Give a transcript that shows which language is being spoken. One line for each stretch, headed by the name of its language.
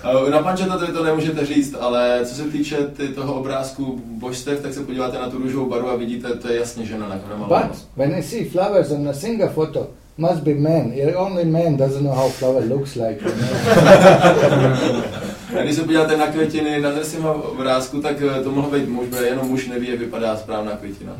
Czech: Na Panchtattva to nemůžete říct, ale co se týče toho obrázku božstev, tak se podíváte na tu růžovou barvu a vidíte, to je jasně žena.
English: But when I see flowers on a single photo, must be man. Only man doesn't know how flower looks like.
Czech: Když se podíváte na květiny na dresima obrázku, tak to mohlo být muž, protože jenom muž neví, jak vypadá správná květina.